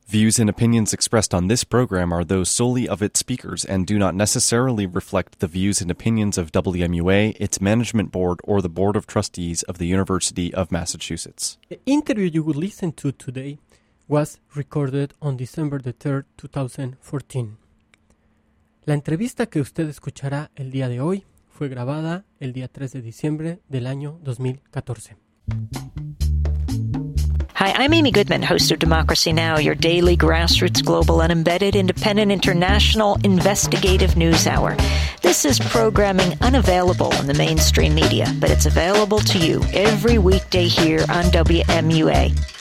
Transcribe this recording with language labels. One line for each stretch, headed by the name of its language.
English: Views and opinions expressed on this program are those solely of its speakers and do not necessarily reflect the views and opinions of WMUA, its management board, or the Board of Trustees of the University of Massachusetts. The interview you will listen to today was recorded on December the 3rd, 2014.
Spanish: La entrevista que usted escuchará el día de hoy fue grabada el día 3 de diciembre del año 2014.
English: Hi, I'm Amy Goodman, host of Democracy Now!, your daily grassroots global and embedded independent international investigative news hour. This is programming unavailable in the mainstream media, but it's available to you every weekday here on WMUA.